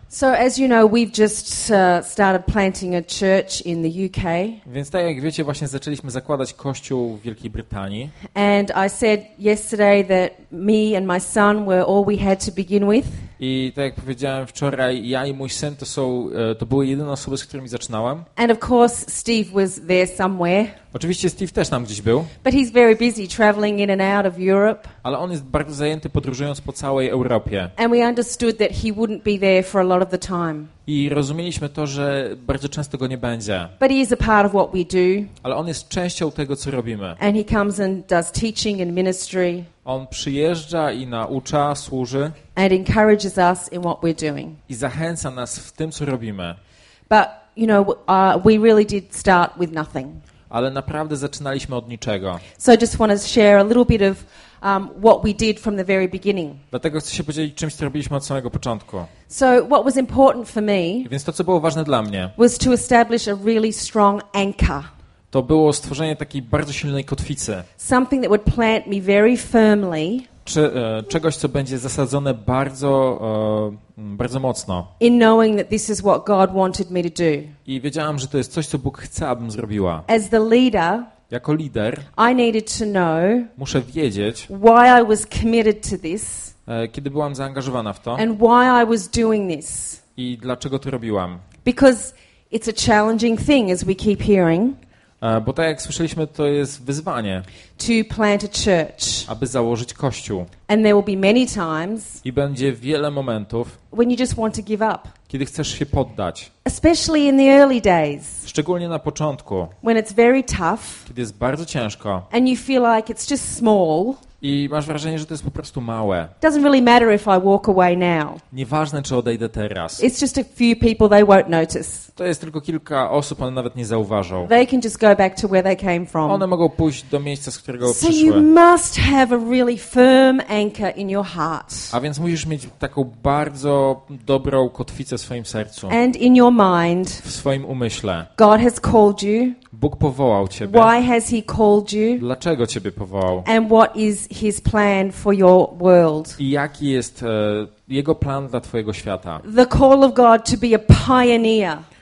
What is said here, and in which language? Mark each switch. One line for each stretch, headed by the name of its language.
English: So as you know, we've just started planting a church in the UK.
Polish: Więc tak jak wiecie, właśnie zaczęliśmy zakładać kościół w Wielkiej Brytanii.
English: And I said yesterday that me and my son were all we had to begin with.
Polish: I tak jak powiedziałem wczoraj, ja i mój syn to są, to były jedyne osoby, z którymi zaczynałem.
English: And of course Steve was there somewhere.
Polish: Oczywiście Steve też tam gdzieś był.
English: But he's very busy traveling in and out of Europe.
Polish: Ale on jest bardzo zajęty podróżując po całej Europie.
English: And we understood that he wouldn't be there for a lot of the time.
Polish: I rozumieliśmy to, że bardzo często go nie będzie.
English: But he is a part of what we do.
Polish: Ale on jest częścią tego, co robimy.
English: And he comes and does teaching and ministry.
Polish: On przyjeżdża i naucza, służy.
English: And encourages us in what we're doing.
Polish: I zachęca nas w tym, co robimy.
English: But you know, we really did start with nothing.
Polish: Ale naprawdę zaczynaliśmy od niczego.
English: So I just want to share a little bit of what we did from the very beginning.
Polish: Dlatego chcę się podzielić czymś, co robiliśmy od samego początku.
English: So what was important for me?
Polish: Więc to, co było ważne dla mnie.
English: Was to establish a really strong anchor.
Polish: To było stworzenie takiej bardzo silnej kotwicy.
English: Something that would plant me very firmly.
Polish: Czegoś, co będzie zasadzone bardzo, bardzo mocno.
English: In knowing that this is what God wanted me to do.
Polish: I wiedziałam, że to jest coś, co Bóg chce, abym zrobiła.
English: As the leader,
Polish: jako lider,
English: I needed to know,
Polish: muszę wiedzieć,
English: why I was committed to this,
Polish: kiedy byłam zaangażowana w to,
English: and why I was doing this.
Polish: I dlaczego to robiłam.
English: Because it's a challenging thing, as we keep hearing.
Polish: Bo tak jak słyszeliśmy, to jest wyzwanie.
English: To plant a church.
Polish: Aby założyć kościół.
English: And there will be many times.
Polish: I będzie wiele momentów.
English: When you just want to give up.
Polish: Kiedy chcesz się poddać.
English: Especially in the early days.
Polish: Szczególnie na początku.
English: When it's very tough.
Polish: Kiedy jest bardzo ciężko.
English: And you feel like it's just small.
Polish: I masz wrażenie, że to jest po prostu małe.
English: Doesn't really matter if I walk away now.
Polish: Nieważne, czy odejdę teraz.
English: It's just a few people, they won't notice.
Polish: To jest tylko kilka osób, one nawet nie zauważą.
English: They can just go back to where they came from.
Polish: One mogą pójść do miejsca, z którego przyszły.
English: So you must have a really firm anchor in your heart.
Polish: A więc musisz mieć taką bardzo dobrą kotwicę w swoim sercu.
English: And in your mind.
Polish: W swoim umyśle.
English: God has called you.
Polish: Bóg powołał ciebie.
English: Why has he called you?
Polish: Dlaczego ciebie powołał?
English: And what is his plan for your world?
Polish: I jaki jest jego plan dla twojego świata?
English: The call of God to be a pioneer.